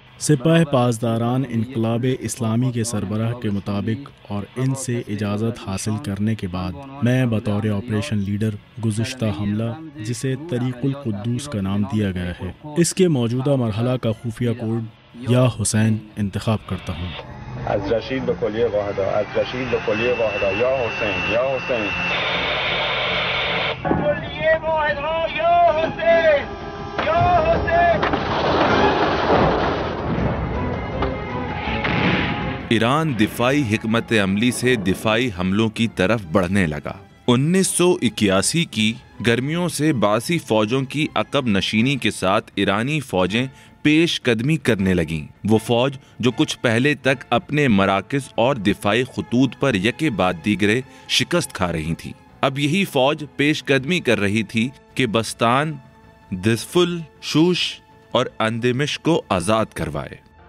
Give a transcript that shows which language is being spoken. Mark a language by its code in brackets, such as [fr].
[ur] سپاہ پاسداران انقلاب اسلامی کے سربراہ کے مطابق اور ان سے اجازت حاصل کرنے کے بعد، میں بطور آپریشن لیڈر گزشتہ حملہ، جسے طریق القدوس کا نام دیا گیا ہے، اس کے موجودہ مرحلہ کا خفیہ کوڈ یا حسین انتخاب کرتا ہوں۔ [fa] از رشید به کلیه واحده، از رشید به کلیه واحده، یا حسین، یا حسین، کلیه واحده، یا حسین، یا حسین۔ [ur] ایران دفاعی حکمت عملی سے دفاعی حملوں کی طرف بڑھنے لگا۔ 1981 کی گرمیوں سے باسی فوجوں کی عقب نشینی کے ساتھ ایرانی فوجیں پیش قدمی کرنے لگیں۔ وہ فوج جو کچھ پہلے تک اپنے مراکز اور دفاعی خطوط پر یکے بعد دیگرے شکست کھا رہی تھی، اب یہی فوج پیش قدمی کر رہی تھی کہ بستان، دزفل، شوش اور اندمش کو آزاد کروائے۔